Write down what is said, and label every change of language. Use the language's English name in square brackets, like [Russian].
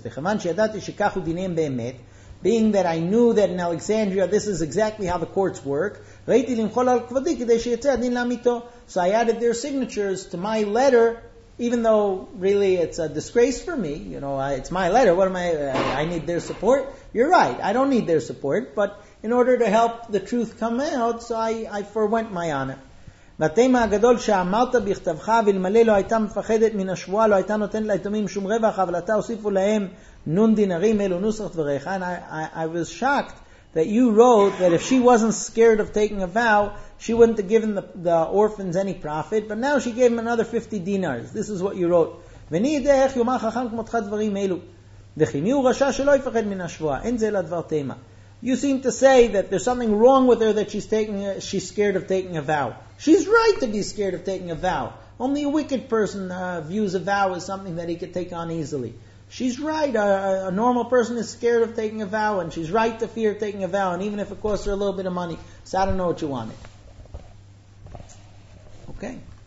[Hebrew] V'chavan sheyadati shekachu dinem be'emet, [English] being that I knew that in Alexandria this is exactly how the courts work, [Hebrew] ראיתי למחול על כבודי כדי שיצא הדין לעמיתו. [English] So I added their signatures to my letter, even though really it's a disgrace for me, you know, it's my letter, what am I need their support. You're right, I don't need their support, but in order to help the truth come out, so I forewent my honor. [Hebrew] והתימה הגדול שאמרת בכתבך, ולמלא לא הייתה מפחדת מן השבועה, לא הייתה נותנת ליתומים שום רווח, אבל אתה הוסיפו להם נון דינרים, אלו נוסח דבריך. [English] And I was shocked that you wrote that if she wasn't scared of taking a vow, she wouldn't have given the orphans any profit, but now she gave him another 50 dinars. This is what you wrote. [Hebrew] ואני יודע איך יאמר חכם כמותך דברים אלו. וכי מי הוא רשע שלא יפחד מן השבועה. אין זה לדבר תימה. [English] You seem to say that there's something wrong with her that she's scared of taking a vow. She's right to be scared of taking a vow. Only a wicked person views a vow as something that he could take on easily. She's right. A normal person is scared of taking a vow, and she's right to fear taking a vow, and even if it costs her a little bit of money. So I don't know what you wanted. Okay.